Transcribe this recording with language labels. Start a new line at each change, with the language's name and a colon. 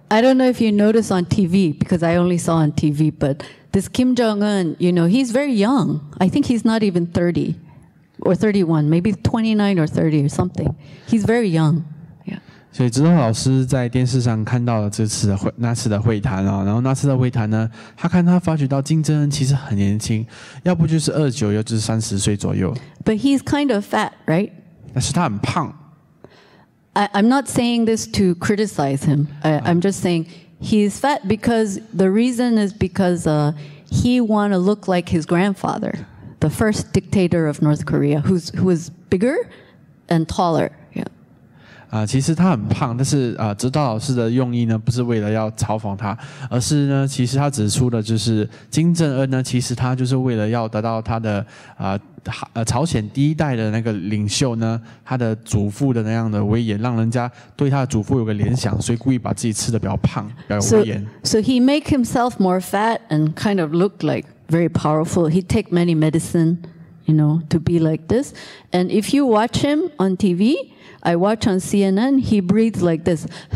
English: I don't know if you notice on TV because I only saw on TV, but this Kim Jong Un, you know, he's very young. I think he's not even 30 or 31, maybe 29 or 30 or something. He's very young.
Chinese: 所以之后老师在电视上看到了那次的会谈啊，然后那次的会谈呢，他发觉到金正恩其实很年轻，要不就是29，要不就是30岁左右。
English: But he's kind of fat, right?
Chinese: 但是他很胖。
English: I'm not saying this to criticize him. I'm just saying he's fat because the reason is because he want to look like his grandfather, the first dictator of North Korea, who was bigger and taller.
Chinese: 其实他很胖，但是指导老师的用意呢，不是为了要嘲讽他，而是呢，其实他指出的就是金正恩呢，其实他就是为了要得到他的朝鲜第一代的那个领袖呢，他的祖父的那样的威严，让人家对他的祖父有个联想，所以故意把自己吃得比较胖，比较威严。
English: So he make himself more fat and kind of look like very powerful. He take many medicine, you know, to be like this. And if you watch him on TV. I watch on CNN, he breathes like this.